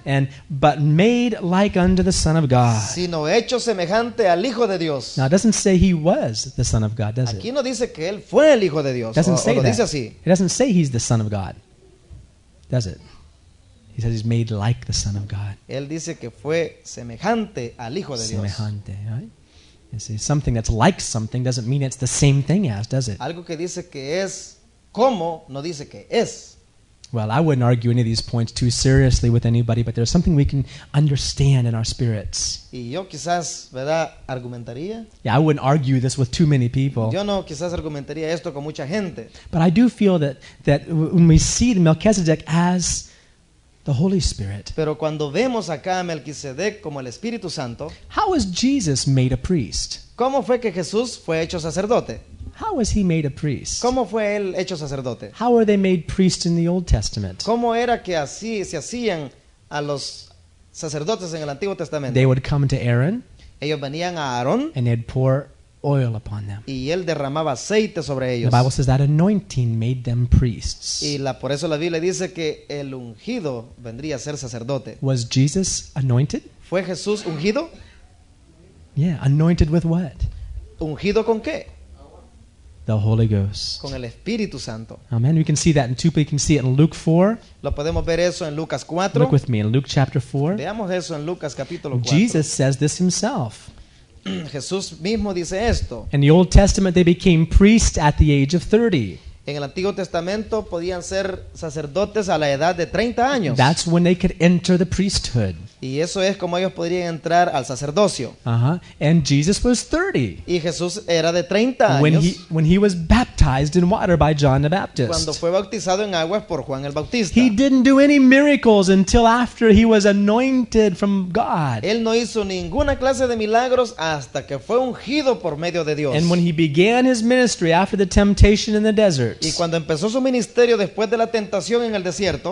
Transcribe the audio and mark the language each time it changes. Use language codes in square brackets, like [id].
[en] And but made like unto the Son of God. [es] Sino hecho semejante al Hijo de Dios. [en] Now it doesn't say he was the Son of God, does [es] aquí [en] it? [es] No dice que él fue el Hijo de Dios. [en] Doesn't [es] o, [en] say [es] o lo [en] that. [es] Dice así. [en] It doesn't say he's the Son of God, does it? He says he's made like the Son of God. [es] Él dice que fue semejante al Hijo de semejante, Dios. Semejante, [en] right? You see, something that's like something doesn't mean it's the same thing as, does it? [es] Algo que dice que es como no dice que es. [en] Well, I wouldn't argue any of these points too seriously with anybody, but there's something we can understand in our spirits. [es] Y yo quizás, ¿verdad, argumentaría? [en] Yeah, I wouldn't argue this with too many people. [es] Yo no, quizás argumentaría esto con mucha gente. [en] But I do feel that when we see Melchizedek as the Holy Spirit. [es] Pero cuando vemos acá a Melquisedec como el Espíritu Santo, [en] how was Jesus made a priest? [es] ¿Cómo fue que Jesús fue hecho sacerdote? [en] How was he made a priest? [es] ¿Cómo fue él hecho sacerdote? [en] How were they made priests in the Old Testament? [es] ¿Cómo era que así se hacían a los sacerdotes en el Antiguo Testamento? [en] They would come to Aaron. [es] Ellos venían a Aarón. [en] And they'd pour oil upon them. [es] Y él derramaba aceite sobre ellos. [en] The Bible says that anointing made them priests. [es] Y por eso la Biblia dice que el ungido vendría a ser sacerdote. [en] Was Jesus anointed? [es] ¿Fue Jesús ungido? [en] Yeah, anointed with what? [es] ¿Ungido con qué? [en] The Holy Ghost. [es] Con el Espíritu Santo. [en] Amen. We can see that in two. You can see it in Luke 4. [es] Lo podemos ver eso en Lucas 4. [en] Look with me in Luke chapter 4. [es] Veamos eso en Lucas capítulo 4. [en] Jesus says this himself. [es] Jesús mismo dice esto. [en] In the Old Testament, they became priests at the age of 30. [es] En el Antiguo Testamento podían ser sacerdotes a la edad de 30 años. [en] That's when they could enter the priesthood. [es] Y eso es como ellos podrían entrar al sacerdocio. [en] And Jesus was 30. [es] Y Jesús era de 30 años. [en] When he was baptized in water by John the Baptist. [es] Cuando fue bautizado en aguas por Juan el Bautista. [en] He didn't do any miracles until after he was anointed from God. [es] Él no hizo ninguna clase de milagros hasta que fue ungido por medio de Dios. [en] And when he began his ministry after the temptation in the desert. [es] Y cuando empezó su ministerio después de la tentación en el desierto.